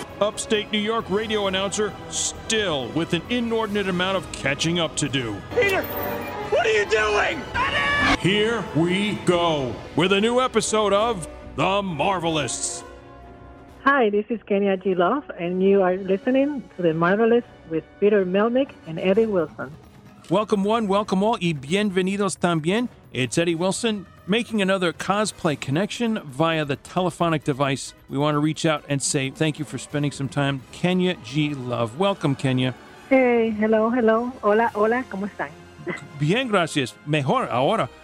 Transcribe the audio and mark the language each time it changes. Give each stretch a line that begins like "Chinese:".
English: Upstate New York radio announcer, still with an inordinate amount of catching up to do. Peter, what are you doing? Here we go with a new episode of The Marvelists. Hi, this is Kenya G. Love, and you are listening to The Marvelists with Peter Melnick and Eddie Wilson. Welcome one, welcome all,
Spanish: y bienvenidos también.
English: It's Eddie Wilson making another cosplay connection via the telephonic device. We want to reach out and say thank you for spending some time. Kenya G. Love. Welcome, Kenya. Hey, hello, hello.
Spanish: Hola, hola, ¿cómo están? Bien, gracias. Mejor ahora.